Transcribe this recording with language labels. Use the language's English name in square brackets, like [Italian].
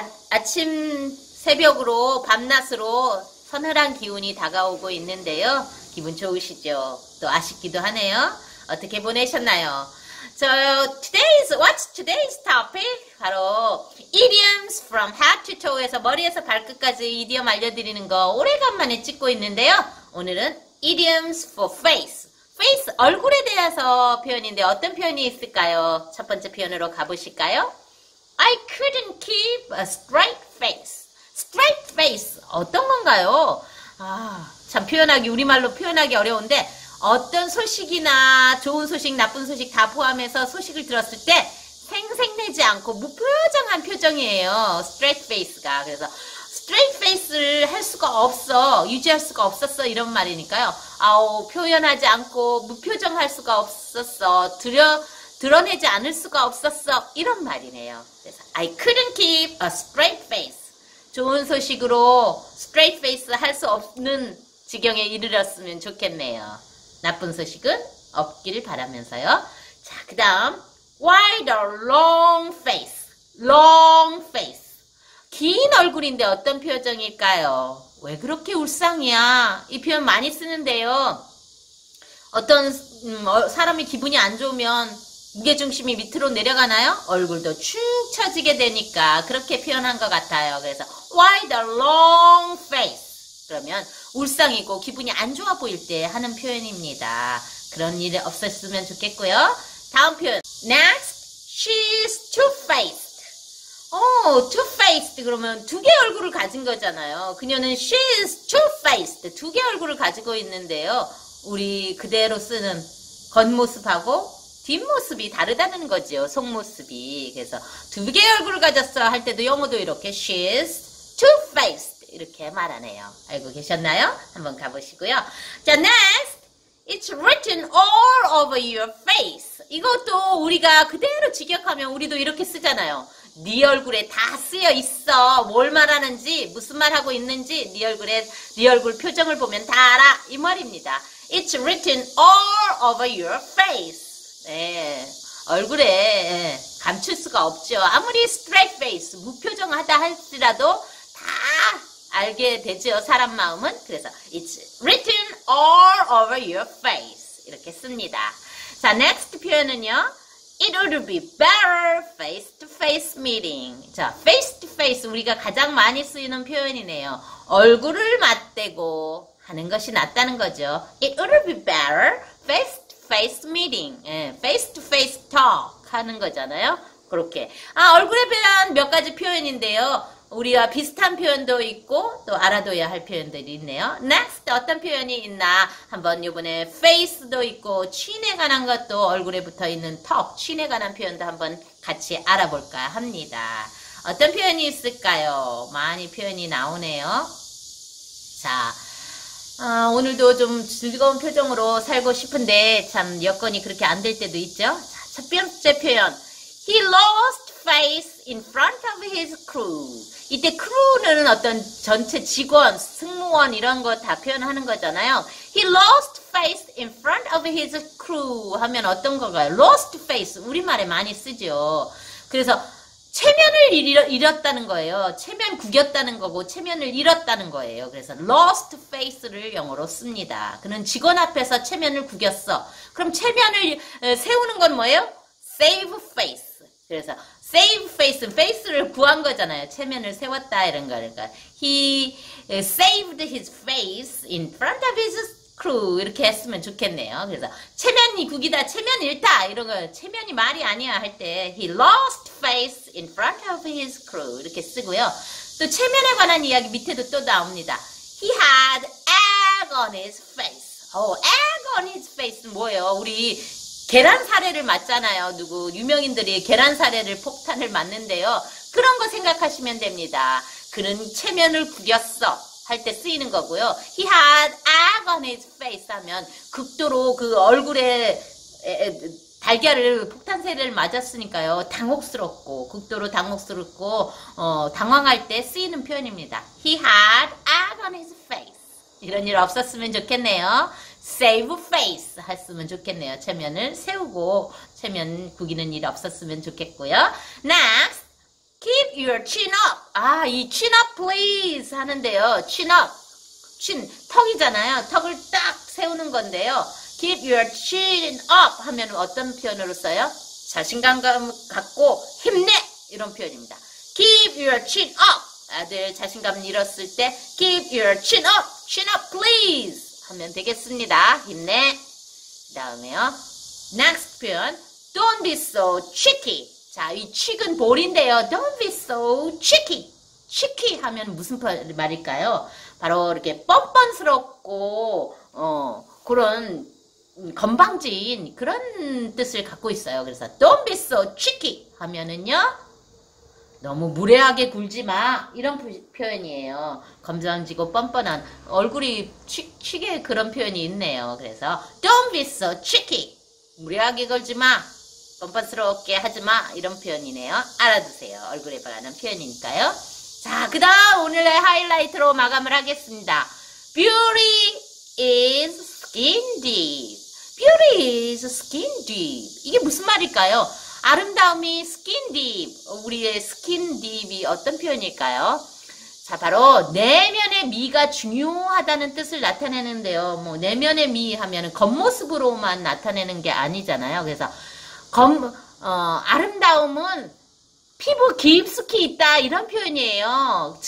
[Korean] 아침 새벽으로 밤낮으로 서늘한 기운이 다가오고 있는데요. 기분 좋으시죠? 또 아쉽기도 하네요. 어떻게 보내셨나요? [English] What's today's topic? [Korean] 바로 [English] idioms from head to toe [Korean] 에서 머리에서 발끝까지 이디엄 알려드리는 거 오래간만에 찍고 있는데요. [English] 오늘은 idioms for face. [Korean] face 얼굴에 대해서 표현인데 어떤 표현이 있을까요? 첫 번째 표현으로 가보실까요? [English] I couldn't keep a straight face. [Korean] straight face. 어떤 건가요? 아, 참 표현하기, 우리말로 표현하기 어려운데 어떤 소식이나 좋은 소식, 나쁜 소식 다 포함해서 소식을 들었을 때 생색내지 않고 무표정한 표정이에요. straight face가. 그래서 straight face를 할 수가 없어. 유지할 수가 없었어. 이런 말이니까요. 아우, 표현하지 않고 무표정할 수가 없었어. 드러내지 않을 수가 없었어. 이런 말이네요. [English] 그래서 I couldn't keep a straight face. [Korean] 좋은 소식으로 straight face 할수 없는 지경에 이르렀으면 좋겠네요. 나쁜 소식은 없기를 바라면서요. 자, 그 다음. [English] Why the long face? long face. [Korean] 긴 얼굴인데 어떤 표정일까요? 왜 그렇게 울상이야? 이 표현 많이 쓰는데요. 어떤, 사람이 기분이 안 좋으면 무게중심이 밑으로 내려가나요? 얼굴도 축 처지게 되니까 그렇게 표현한 것 같아요. [English] 그래서 Why the long face? [Korean] 그러면 울상이고 기분이 안 좋아 보일 때 하는 표현입니다. 그런 일이 없었으면 좋겠고요. 다음 표현. [English] Next, she's two-faced. 오, two-faced. [Korean] 그러면 두 개의 얼굴을 가진 거잖아요. 그녀는 [English] she's two-faced. [Korean] 두 개의 얼굴을 가지고 있는데요. 우리 그대로 쓰는 겉모습하고 뒷모습이 다르다는 거지요. 속모습이. 그래서 두 개의 얼굴을 가졌어 할 때도 영어도 이렇게 she's two-faced. 이렇게 말하네요. 알고 계셨나요? 한번 가보시고요. 자, next. [English] It's written all over your face. [Korean] 이것도 우리가 그대로 직역하면 우리도 이렇게 쓰잖아요. 네 얼굴에 다 쓰여 있어. 뭘 말하는지, 무슨 말 하고 있는지, 네 얼굴 표정을 보면 다 알아. 이 말입니다. [English] It's written all over your face. [Korean] 네. 얼굴에 감출 수가 없죠. 아무리 straight face, 무표정하다 할지라도 알게 되죠, 사람 마음은. [English] 그래서 It's written all over your face. [Korean] 이렇게 씁니다. 자, next 표현은요. [English] It would be better face to face meeting. [Korean] 자, face to face 우리가 가장 많이 쓰이는 표현이네요. 얼굴을 맞대고 하는 것이 낫다는 거죠. [English] It would be better face to face meeting. 예, face to face talk [Korean] 하는 거잖아요. 그렇게. 아, 얼굴에 대한 몇 가지 표현인데요. 우리와 비슷한 표현도 있고 또 알아둬야 할 표현들이 있네요. Next 어떤 표현이 있나? 한번 요번에 face도 있고 chin에 관한 것도 얼굴에 붙어 있는 턱, chin에 관한 표현도 한번 같이 알아볼까 합니다. 어떤 표현이 있을까요? 많이 표현이 나오네요. 자, 오늘도 좀 즐거운 표정으로 살고 싶은데 참 여건이 그렇게 안될 때도 있죠. 자, 첫 번째 표현. [English] He lost face in front of his crew. [Korean] 이때 크루는 어떤 전체 직원, 승무원 이런 거다 표현하는 거잖아요. [English] He lost face in front of his crew [Korean] 하면 어떤 건가요? Lost face 우리말에 많이 쓰죠. 그래서 체면을 잃었다는 거예요. 체면 구겼다는 거고 체면을 잃었다는 거예요. 그래서 lost face를 영어로 씁니다. 그는 직원 앞에서 체면을 구겼어. 그럼 체면을 세우는 건 뭐예요? Save face. 그래서 save face, face를 구한 거잖아요. 체면을 세웠다 이런 거. [English] 그러니까 he saved his face in front of his crew [Korean] 이렇게 했으면 좋겠네요. 그래서 체면이 구기다, 체면 잃다 이런 거. 체면이 말이 아니야 할때 [English] he lost face in front of his crew [Korean] 이렇게 쓰고요. 또 체면에 관한 이야기 밑에도 또 나옵니다. [English] He had egg on his face. 오, egg on his face [Korean] 뭐예요? 우리 계란 사례를 맞잖아요. 누구, 유명인들이 계란 사례를 폭탄을 맞는데요. 그런 거 생각하시면 됩니다. 그는 체면을 구겼어. 할때 쓰이는 거고요. He had egg on his face 하면 극도로 그 얼굴에 달걀을 폭탄 세례를 맞았으니까요. 당혹스럽고, 극도로 당혹스럽고, 당황할 때 쓰이는 표현입니다. He had egg on his face. 이런 일 없었으면 좋겠네요. Save face 했으면 좋겠네요. 체면을 세우고 체면 구기는 일 없었으면 좋겠고요. [English] Next, keep your chin up. 아, 이 chin up please [Korean] 하는데요. chin up. chin 턱이잖아요. 턱을 딱 세우는 건데요. [English] Keep your chin up [Korean] 하면 어떤 표현으로 써요? 자신감 갖고 힘내 이런 표현입니다. [English] Keep your chin up. [Korean] 아들 자신감 잃었을 때 [English] Keep your chin up. Chin up please [Korean] 하면 되겠습니다. 힘내. 그다음에요. Next 표현. [English] Don't be so cheeky. [Korean] 자, 이 cheek은 볼인데요. [English] Don't be so cheeky. [Korean] cheeky 하면 무슨 말일까요? 바로 이렇게 뻔뻔스럽고 그런 건방진 그런 뜻을 갖고 있어요. [English] 그래서 Don't be so cheeky [Korean] 하면은요. 너무 무례하게 굴지 마. 이런 표현이에요. 건방지고 뻔뻔한 얼굴이 치게 그런 표현이 있네요. [English] 그래서 Don't be so cheeky. [Korean] 무례하게 굴지 마. 뻔뻔스럽게 하지 마. 이런 표현이네요. 알아두세요. 얼굴에 관한 표현이니까요. 자, 그다음 오늘의 하이라이트로 마감을 하겠습니다. [English] Beauty is skin deep. Beauty is skin deep. [Korean] 이게 무슨 말일까요? [English] 아름다움이 skin deep. [Korean] 우리의 skin deep이 어떤 표현일까요? 자, 바로 내면의 미가 중요하다는 뜻을 나타내는데요. 뭐 내면의 미 하면은 겉모습으로만 나타내는 게 아니잖아요. 그래서 아름다움은 피부 깊숙이 있다 이런 표현이에요.